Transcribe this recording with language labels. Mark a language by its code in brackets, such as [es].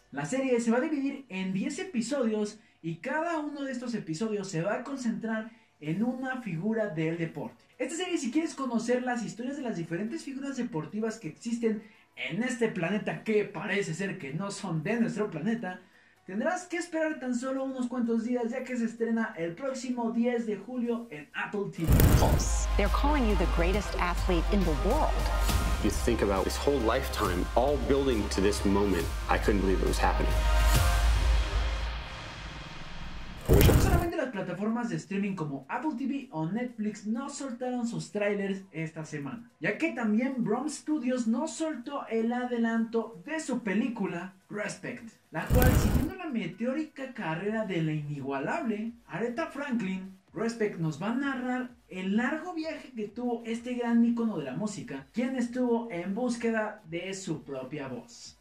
[es] La serie se va a dividir en 10 episodios y cada uno de estos episodios se va a concentrar en una figura del deporte. Esta serie, si quieres conocer las historias de las diferentes figuras deportivas que existen en este planeta, que parece ser que no son de nuestro planeta, tendrás que esperar tan solo unos cuantos días, ya que se estrena el próximo 10 de julio en Apple TV. [en] They're calling you the greatest athlete in the world. You think about this whole lifetime all building to this moment. I couldn't believe it was happening. [es] Plataformas de streaming como Apple TV o Netflix no soltaron sus trailers esta semana, ya que también Brom Studios no soltó el adelanto de su película Respect, la cual, siguiendo la meteórica carrera de la inigualable Aretha Franklin, Respect nos va a narrar el largo viaje que tuvo este gran ícono de la música, quien estuvo en búsqueda de su propia voz.